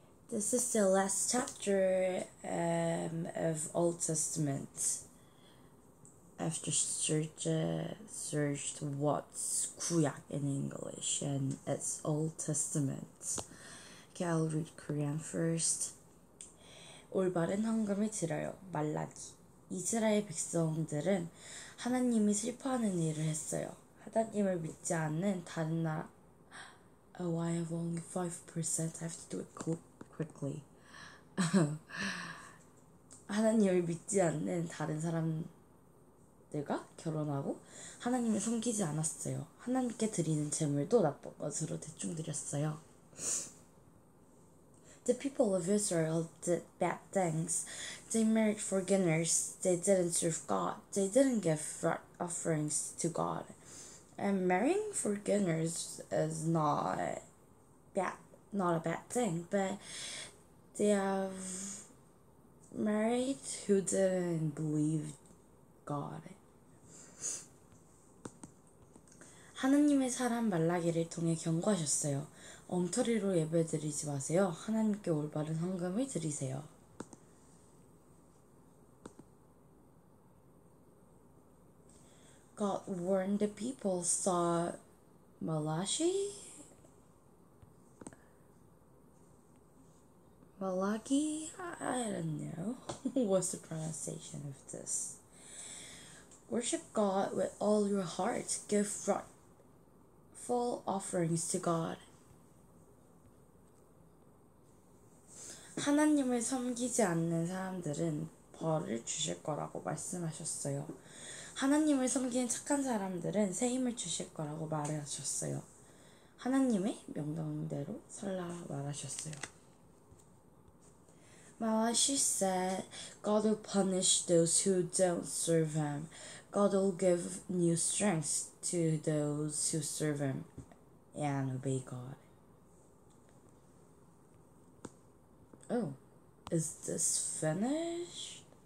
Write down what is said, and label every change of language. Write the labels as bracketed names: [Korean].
[English] This is the last chapter of Old Testament. After searched what's 구약 in English, and it's Old Testament. Okay, I'll read Korean first. [Korean] 올바른 헌금을 드려요, 말라기. 이스라엘 백성들은 하나님이 슬퍼하는 일을 했어요. 하나님을 믿지 않는 다른 나라. [English] Oh, I have only 5%. I have to do it quickly. [Korean] 하나님을 믿지 않는 다른 사람 내가 결혼하고 하나님을 섬기지 않았어요. 하나님께 드리는 제물도 나쁜 것으로 대충 드렸어요. [English] The people of Israel did bad things. They married foreigners. They didn't serve God. They didn't give offerings to God. And marrying foreigners is not a bad thing, but they have married who didn't believe God. [Korean] 하나님의 사람 말라기를 통해 경고하셨어요. 엉터리로 예배드리지 마세요. 하나님께 올바른 헌금을 드리세요. [English] God warned the people, saw Malachi? Malachi? I don't know. What's the pronunciation of this? Worship God with all your heart. Give right. Full offerings to God. [Korean] 하나님을 섬기지 않는 사람들은 벌을 주실 거라고 말씀하셨어요. 하나님을 섬기는 착한 사람들은 세임을 주실 거라고 말하셨어요. 하나님의 명령대로 살라 말하셨어요. [English] Malachi said, God will punish those who don't serve him. God will give new strength to those who serve him and obey God. Oh, is this finished?